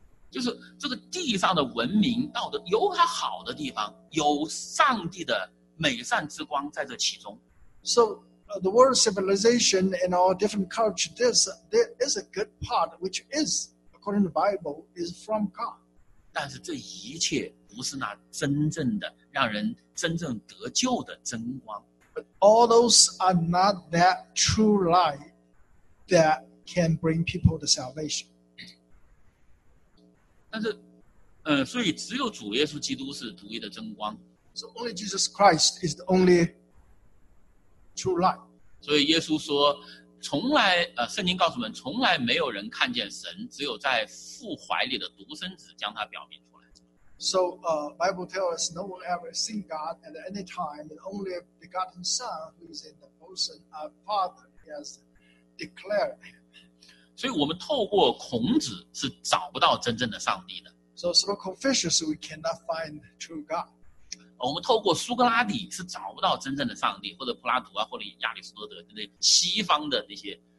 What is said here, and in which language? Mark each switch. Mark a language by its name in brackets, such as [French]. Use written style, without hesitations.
[Chinese] 就是这个地上的文明道德有它好的地方，有上帝的美善之光在这其中。 [English] So,the world civilization and all different culture, there is a good part which is, according to the Bible, is from God. [Chinese] 但是这一切不是那真正的让人真正得救的真光。 [English] But all those are not that true light that can bring people to salvation. [Chinese] 但是所以只有主耶稣基督是独一的真光。 [English] So only Jesus Christ is the only true light. [Chinese] 所以耶稣说，从来圣经告诉我们，从来没有人看见神，只有在父怀里的独生子将他表明出来。 [English] So, Bible tells us no one ever seen God at any time, and only begotten Son, who is in the bosom of Father, has declared him. [Chinese] 所以我们透过孔子是找不到真正的上帝的。 [English] So through Confucius, we cannot find true God. [Chinese] 我们透过苏格拉底是找不到真正的上帝，或者普拉图啊，或者亚里士多德，那西方的那些，